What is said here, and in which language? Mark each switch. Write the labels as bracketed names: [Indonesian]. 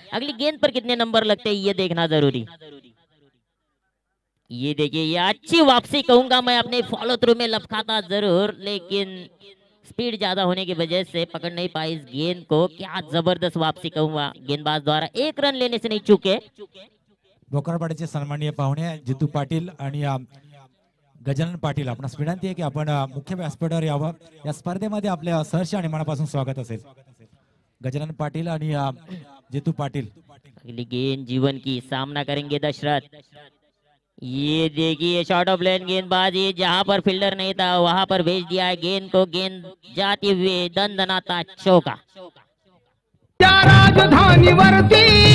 [Hindi] अगली गेंद पर कितने नंबर लगते हैं ये देखना जरूरी. ये देखिए ये अच्छी वापसी कहूंगा मैं अपने फॉलो थ्रू में लपकाता जरूर लेकिन स्पीड ज्यादा होने की वजह से पकड़ नहीं पाई इस गेंद को. क्या जबरदस्त वापसी कहूंगा गेंदबाज द्वारा एक रन लेने से नहीं चूके. [Marathi] भोकरपाड़े सन्माननीय पाहुणे जितू पाटील आणि गजानन पाटील आपण स्पीडांती आहे की आपण मुख्य व्यासपीठावर यावं या स्पर्धेमध्ये आपल्या सहर्ष आणि मनापासून स्वागत असेल. गजानन पाटील आणि जितू पाटील [Hindi] अगली गेंद जीवन की सामना करेंगे दशरथ. ये देखिए शॉर्ट ऑफ लेन गेंदबाजी जहां पर फील्डर नहीं था वहां पर भेज दिया है गेंद को. गेंद जाते हुए दंदनाता चौका. [Marathi] राजधानी वर्ती